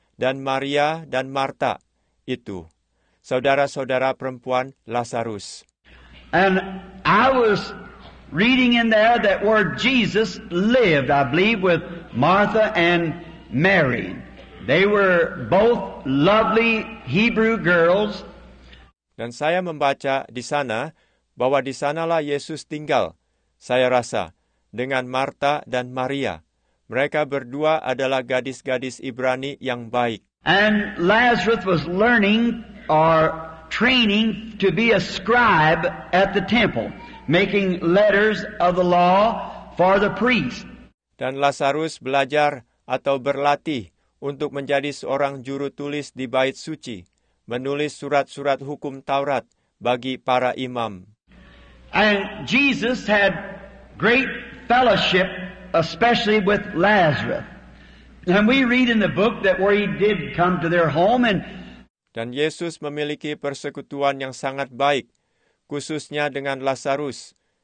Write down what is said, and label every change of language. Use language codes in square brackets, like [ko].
[id] dan Maria dan Marta itu, saudara-saudara perempuan Lazarus. [en] And I was reading in there that where Jesus lived, I believe, with Martha and Mary. They were both lovely Hebrew girls. [id] Dan saya membaca di sana bahwa di sanalah Yesus tinggal, saya rasa, dengan Martha dan Maria. Mereka berdua adalah gadis-gadis Ibrani yang baik. [en] And Lazarus was learning or training to be a scribe at the temple, making letters of the law for the priest. [id] Dan Lazarus belajar atau berlatih untuk menjadi seorang juru tulis di bait suci, menulis surat-surat hukum Taurat bagi para imam. [en] And Jesus had great fellowship, especially with Lazarus. And we read in the book that where he did come to their home and [id] dan Yesus memiliki persekutuan yang sangat baik, khususnya dengan Lazarus.